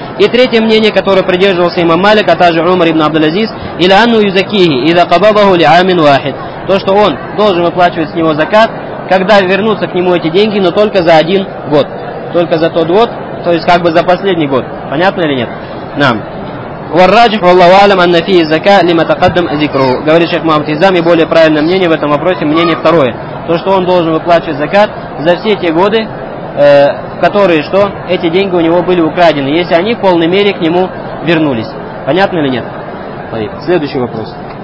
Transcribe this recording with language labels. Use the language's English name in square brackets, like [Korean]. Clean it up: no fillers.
[Russian] И третье мнение, которое придерживался имам Малик, а также Умар ибн Абдул-Азиз, или [Arabic] анну юзакихи, иза кабабаху ли амин вахид. [Russian] То, что он должен выплачивать с него закат, когда вернутся к нему эти деньги, но только за один год. Только за тот год, то есть как бы за последний год. Понятно или нет? Нам. [Arabic] والراجح والله أعلم أن فيه الزكاة لما تقدم ذكره. [Russian] Говорит шейх Мухаммад Изам, и более правильное мнение в этом вопросе, мнение второе. То, что он должен выплачивать закат за все те годы, которые что? Эти деньги у него были украдены, если они в полной мере к нему вернулись. Понятно или нет? Следующий вопрос.